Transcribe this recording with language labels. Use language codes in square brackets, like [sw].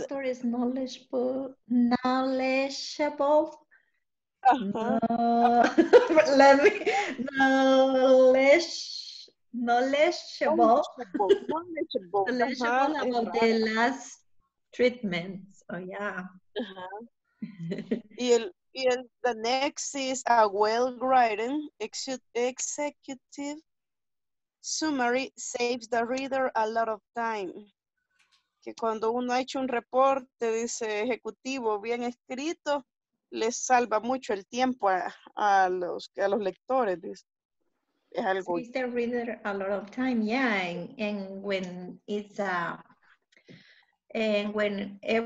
[en] "Doctor is knowledgeable." knowledgeable about the last treatments. Oh yeah. [es] Y el [en] the next is a well-written executive summary saves the reader a lot of time. [es] Que cuando uno ha hecho un reporte dice ejecutivo bien escrito, les salva mucho el tiempo a los lectores. Es algo. [en] Saves the reader a lot of time, and when it's and when